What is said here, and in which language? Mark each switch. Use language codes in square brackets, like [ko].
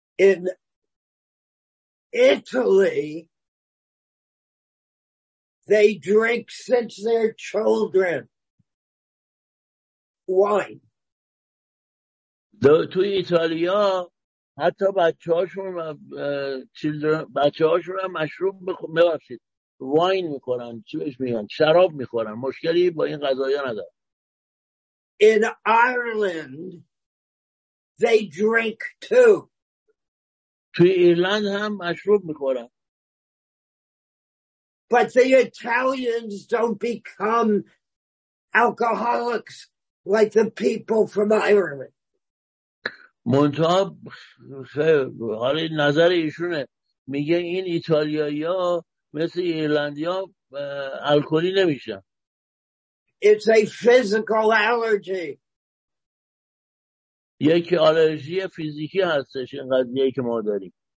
[en] In Italy they drink since their children wine. [fa] تو ایتالیا حتی بچه‌هاشون هم مشروب می‌بخورن. واین میخورن. چی بهش میگن؟ شراب میخورن. مشکلی با این قضايا ندارن. [en] In Ireland they drink too. [fa] تو ایرلند هم مشروب میخورن. [en] But the Italians don't become alcoholics like the people from Ireland. [fa] منتها حالا نظر ایشونه میگه این ایتالیایی ها مثل ایرلندی ها الکلی نمیشن. [en] It's a physical allergy. [fa] یک آلرژی فیزیکی هستش این قضیه که ما داریم.